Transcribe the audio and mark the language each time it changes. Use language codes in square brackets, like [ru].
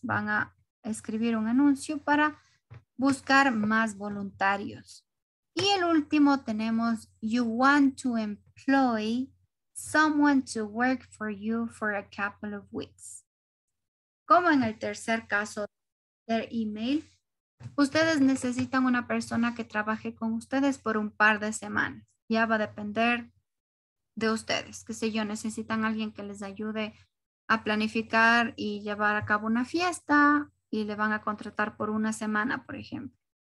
[es] Van a escribir un anuncio para buscar más voluntarios. Y el último tenemos, [en] you want to employ someone to work for you for a couple of weeks. [es] Como en el tercer caso, [en] their email. [es] Ustedes necesitan una persona que trabaje con ustedes por un par de semanas. Ya va a depender de ustedes. Qué sé yo, necesitan alguien que les ayude a planificar y llevar a cabo una fiesta y le van a contratar por una semana, por ejemplo.